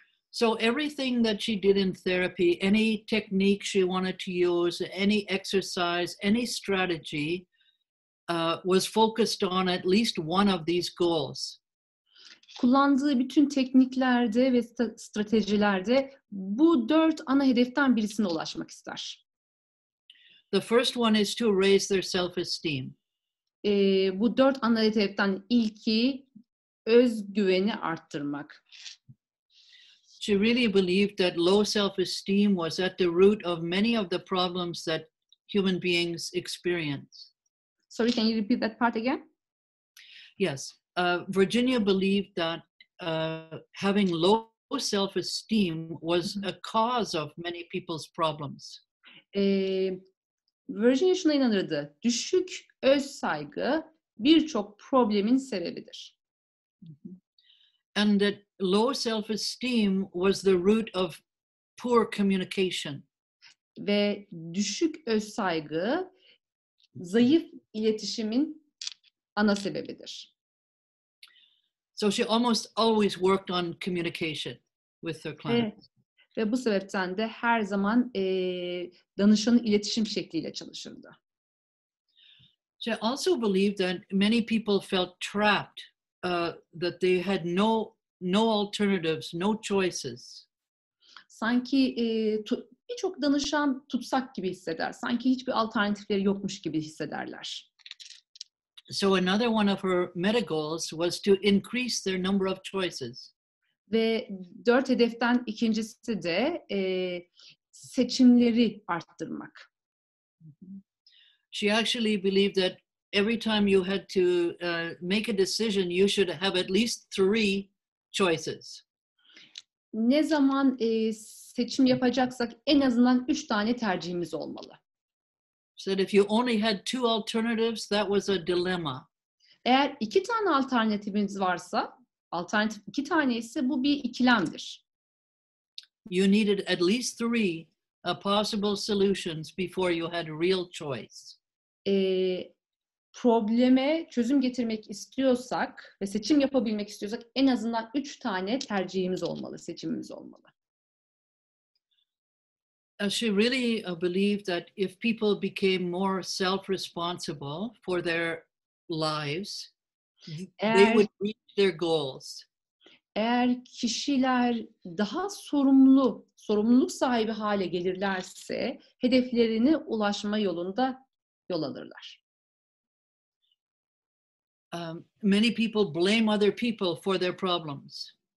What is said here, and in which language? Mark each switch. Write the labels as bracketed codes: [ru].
[en] So everything that she did in therapy, any technique she wanted to use, any exercise, any strategy was focused on at least one of these goals. [tr] Kullandığı bütün tekniklerde ve stratejilerde bu dört ana hedeften birisine ulaşmak ister. [en] The first one is to raise their self-esteem. [tr] Bu dört ana hedeften ilki özgüveni arttırmak. [en] She really believed that low self-esteem was at the root of many of the problems that human beings experience. Sorry, can you repeat that part again? Yes. Virginia believed that having low self-esteem was a cause of many people's problems. [tr] Virginia şuna inanırdı. Düşük öz saygı birçok problemin sebebidir. [en] And that low self-esteem was the root of poor communication. [tr] Ve düşük öz saygı zayıf iletişimin ana sebebidir. [en] So she almost always worked on communication with her clients. [tr] Evet. Ve bu sebepten de her zaman danışanın iletişim şekliyle çalışırdı. [en] She also believed that many people felt trapped, that they had no alternatives, no choices. [tr] Sanki birçok danışan tutsak gibi hisseder. Sanki hiçbir alternatifleri yokmuş gibi hissederler. [en] So another one of her meta goals was to increase their number of choices. [tr] Ve dört hedeften ikincisi de seçimleri arttırmak. [en] She actually believed that every time you had to make a decision, you should have at least three choices. [tr] Ne zaman seçim yapacaksak en azından üç tane tercihimiz olmalı. [en] Said if you only had two alternatives, that was a dilemma. [tr] Eğer iki tane alternatifimiz varsa, alternatif iki tane ise bu bir ikilemdir. [en] You needed at least three possible solutions before you had real choice. [tr] Probleme çözüm getirmek istiyorsak ve seçim yapabilmek istiyorsak en azından üç tane tercihimiz olmalı, seçimimiz olmalı. [en] She really believed that if people became more self-responsible for their lives, they would reach their goals. [tr] Eğer kişiler daha sorumluluk sahibi hale gelirlerse, hedeflerine ulaşma yolunda yol alırlar. [en] Many people blame other people for their problems.